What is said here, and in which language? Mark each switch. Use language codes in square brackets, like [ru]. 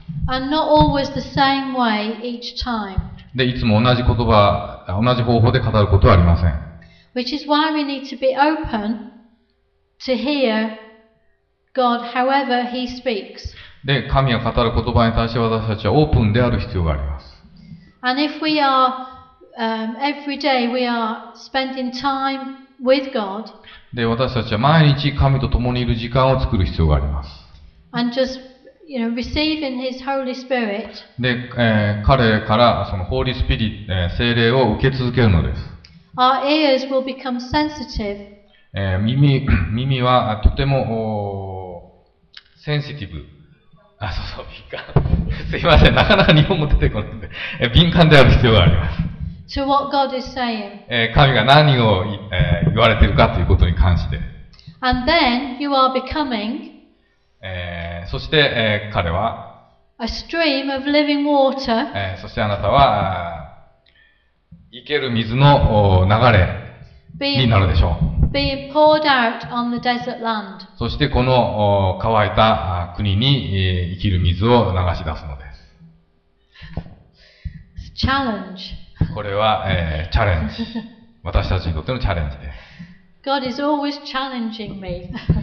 [en] And not always the same way each time. [ja] で、いつも同じ言葉、同じ方法で語ることはありません。 [en] Which is why we need to be open to hear God however he speaks. [ja] で、神が語る言葉に対して私たちはオープンである必要があります。 [en] And if we areevery day we are spending time with God. [ja] で、私たちは毎日神と共にいる時間を作る必要があります。 [en] And just, you know, receiving His Holy Spirit. [ja] で、彼からそのホーリースピリット、聖霊を受け続けるのです。 [en] Our ears will become sensitive. [ja] 耳はとてもセンシティブ。あ、そうそう、敏感。すいません、なかなか日本語出てこないので、敏感である必要があります。 [en] To what God is saying. [ja] 神が何を言われているかということに関して。 [en] And then you are becoming. [ja] そして彼は。 [en] A stream of living water. [ja] そしてあなたは生ける水の流れになるでしょう。 [en] Being poured out on the desert land. [ja] そしてこの乾いた国に生きる水を流し出すのです。 [en] It's a challenge. [ja] これは、チャレンジ。私たちにとってのチャレンジです。 [en] God is always challenging me.